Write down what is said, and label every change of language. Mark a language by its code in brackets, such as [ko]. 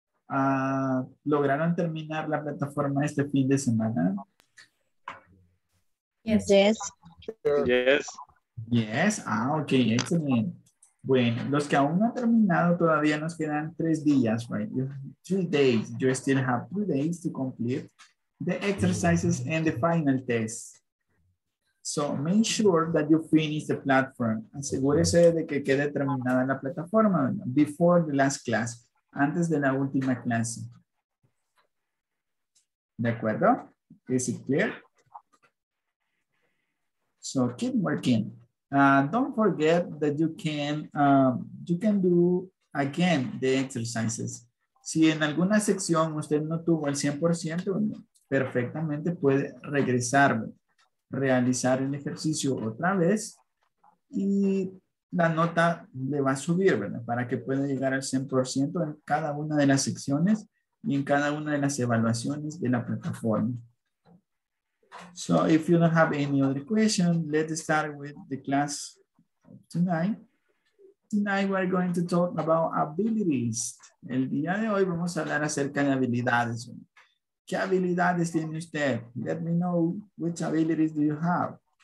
[es] ¿Lograron terminar la plataforma este fin de semana? [en] Yes. Yes. Yes. Ah, okay. Excellent. [es] Bueno, los que aún no han terminado, todavía nos quedan 3 días, [en] right? 3 days. You still have 3 days to complete the exercises and the final test. So make sure that you finish the platform. [es] Asegúrese de que quede terminada la plataforma [en] before the last class, [es] antes de la última clase. ¿De acuerdo? [en] Is it clear? So keep working. Don't forget that you can do again the exercises. [es] Si en alguna sección usted no tuvo el 100%, perfectamente puede regresar, realizar el ejercicio otra vez y la nota le va a subir, ¿verdad? Para que pueda llegar al 100% en cada una de las secciones y en cada una de las evaluaciones de la plataforma. [en] So, if you don't have any other question, let's start with the class tonight. Tonight we're going to talk about abilities. [es] El día de hoy vamos a hablar acerca de habilidades. ¿Qué habilidades tiene usted? [en] Let me know which abilities do you have.